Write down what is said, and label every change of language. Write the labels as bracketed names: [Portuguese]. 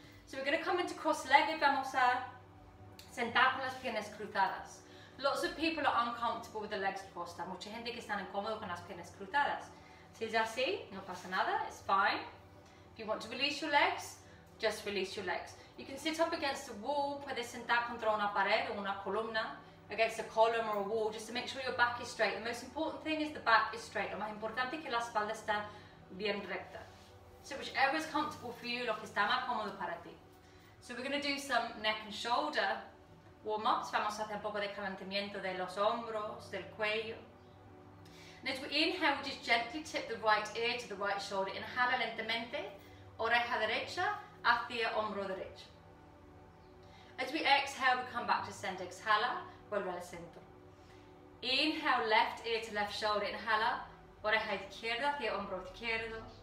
[English] So we're going to come into cross-legged. [Spanish] Vamos a sentar con las piernas cruzadas. [English] Lots of people are uncomfortable with the legs crossed. [Spanish] Hay mucha gente que está incómodo con las piernas cruzadas. Si es así, no pasa nada. [English] It's fine. If you want to release your legs, just release your legs. You can sit up against a wall, [Spanish] puedes sentar contra una pared o una columna, [English] against a column or a wall, just to make sure your back is straight. The most important thing is the back is straight. [Spanish] Lo más importante es que la espalda está bien recta. [English] So whichever is comfortable for you, [Spanish] lo que está más cómodo para ti. [English] So we're going to do some neck and shoulder warm-ups. [Spanish] Vamos a hacer un poco de calentamiento de los hombros, del cuello. [English] And as we inhale, we just gently tip the right ear to the right shoulder. [Spanish] Inhala lentamente, oreja derecha, hacia hombro derecho. [English] As we exhale, we come back to center. [Spanish] Exhala, vuelve al centro. [English] Inhale, left ear to left shoulder. [Spanish] Inhala, oreja izquierda, hacia hombro izquierdo.